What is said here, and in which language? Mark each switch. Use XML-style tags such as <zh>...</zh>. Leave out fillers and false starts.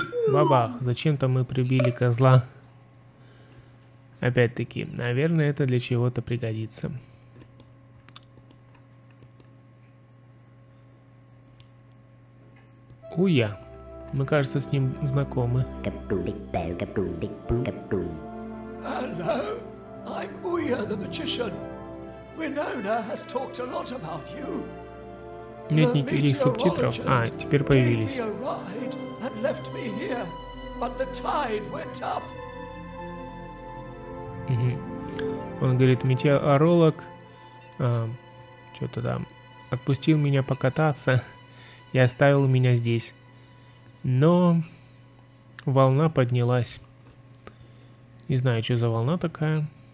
<ru>Бабах, зачем-то мы прибили козла. Опять-таки, наверное, это для чего-то пригодится. Уя, мы, кажется, с ним знакомы.</ru> <en>Hello, I'm Uya the magician. Winona has talked a lot about you.</en> <ru>Нет никаких субтитров. А, теперь появились.</ru> <en>And left me here, but the tide went up.</en> <ru>Он говорит, метеоролог что-то там отпустил меня покататься и оставил меня здесь. Но волна поднялась. Не знаю, что за волна такая.</ru>